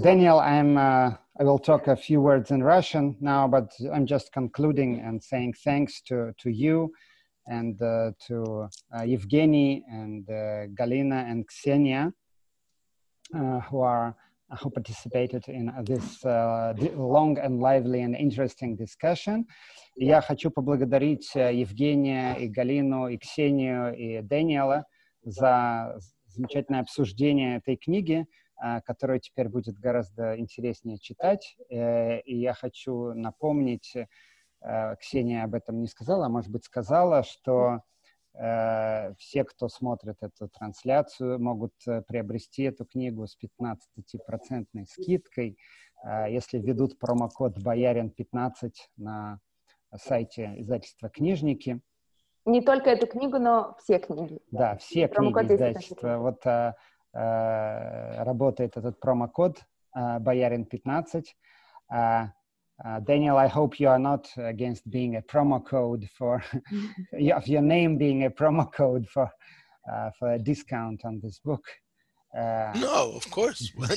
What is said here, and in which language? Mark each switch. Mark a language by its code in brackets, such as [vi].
[en] Daniel, I will talk a few words in Russian now, but I'm just concluding and saying thanks to you and to Evgeny and Galina and Ksenia. Who participated in this long and lively and interesting discussion. [ru] Я хочу поблагодарить Евгения и Галину и Ксению и Даниэла за замечательное обсуждение этой книги, которую теперь будет гораздо интереснее читать. И я хочу напомнить, Ксения об этом не сказала, а может быть сказала, что все, кто смотрит эту трансляцию, могут приобрести эту книгу с 15% скидкой, если введут промокод «Боярин15» на сайте издательства «Книжники». Не только эту книгу, но все книги. Да, все книги издательства. Вот работает этот промокод «Боярин15». [en] Daniel, I hope you are not against being a promo code for your name being a promo code for a discount on this book. No, of course.